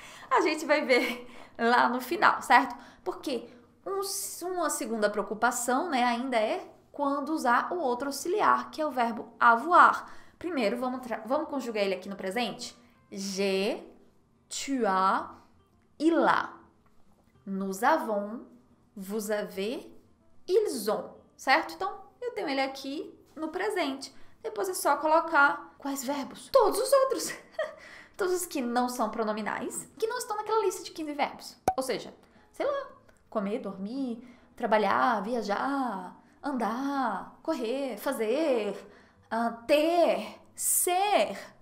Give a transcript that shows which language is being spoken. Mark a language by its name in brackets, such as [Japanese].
[Portuguese] A gente vai ver lá no final, certo? Porque uma segunda preocupação, né, ainda é quando usar o outro auxiliar, que é o verbo avoir. Primeiro, vamos conjugar ele aqui no presente. [French] J'ai, tu as, il a. Nous avons, vous avez, ils ont. [Portuguese] Certo? Então, eu tenho ele aqui no presente. Depois é só colocar quais verbos? Todos os outros. Todos os que não são pronominais, que não estão naquela lista de 15 verbos. Ou seja, sei lá, comer, dormir, trabalhar, viajar, andar, correr, fazer, ter, ser.